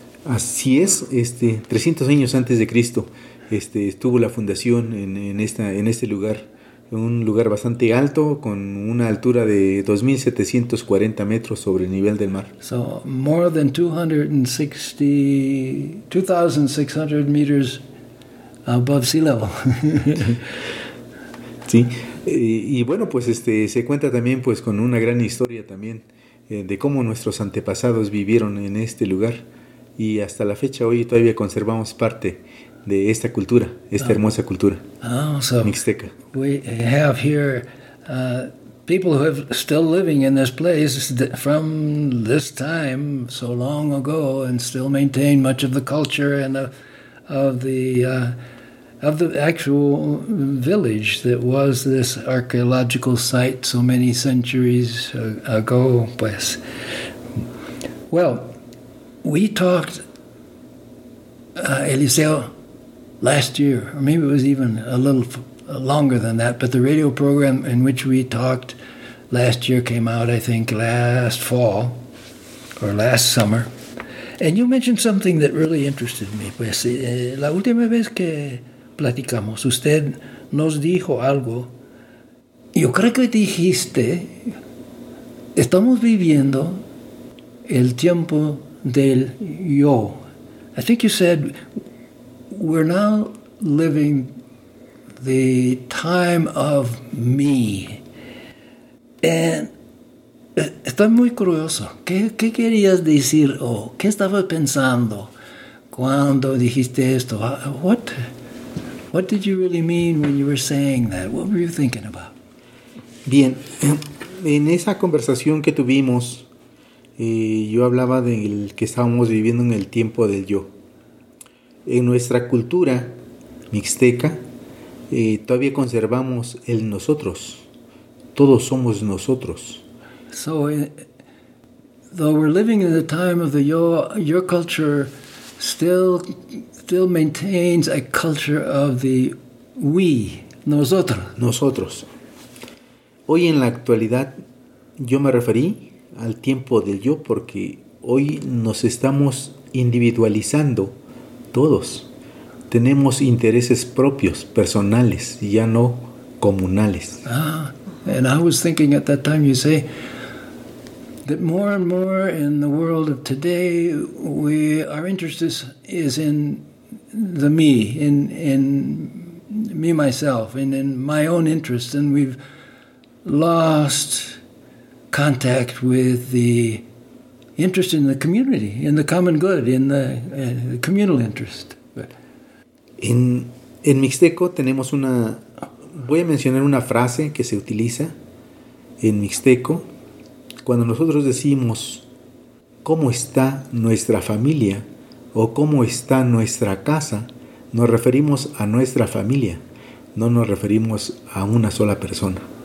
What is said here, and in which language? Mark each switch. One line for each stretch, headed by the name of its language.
Spanish: Así es, 300 años antes de Cristo, estuvo la fundación en este lugar, un lugar bastante alto con una altura de 2740 metros sobre el nivel del mar.
English: So more than 2600 meters above sea level.
Spanish: Sí. Y bueno, pues se cuenta también pues con una gran historia también de cómo nuestros antepasados vivieron en este lugar, y hasta la fecha hoy todavía conservamos parte de esta cultura, hermosa cultura.
English: Oh, so Mixteca. We have here people who have still living in this place from this time so long ago and still maintain much of the culture and of the actual village that was this archaeological site so many centuries ago,
Spanish: pues.
English: Well, we talked, Eliseo, last year, or maybe it was even a little longer than that, but the radio program in which we talked last year came out, I think, last fall or last summer. And you mentioned something that really interested me.
Spanish: Pues, la última vez que platicamos, usted nos dijo algo. Yo creo que dijiste, estamos viviendo el tiempo del yo.
English: I think you said, we're now living the time of me. And
Spanish: estoy muy curioso. ¿Qué querías decir? ¿Qué estaba pensando cuando dijiste esto?
English: What did you really mean when you were saying that? What were you thinking about?
Spanish: Bien, en esa conversación que tuvimos, yo hablaba de que estábamos viviendo en el tiempo del yo. En nuestra cultura mixteca, todavía conservamos el nosotros. Todos somos nosotros.
English: So, though we're living in the time of the
Spanish: yo,
English: your culture still maintains a culture of the we,
Spanish: nosotros. Nosotros. Hoy en la actualidad, yo me referí al tiempo del yo porque hoy nos estamos individualizando todos. Tenemos intereses propios, personales, ya no comunales.
English: Ah, and I was thinking at that time, you say, that more and more in the world of today, our interest is in the me, in me, myself, and in my own interest, and we've lost contact with the interest in the community, in the common good, in the communal interest.
Spanish: En Mixteco tenemos una... Voy a mencionar una frase que se utiliza en Mixteco. Cuando nosotros decimos cómo está nuestra familia o cómo está nuestra casa, nos referimos a nuestra familia, no nos referimos a una sola persona.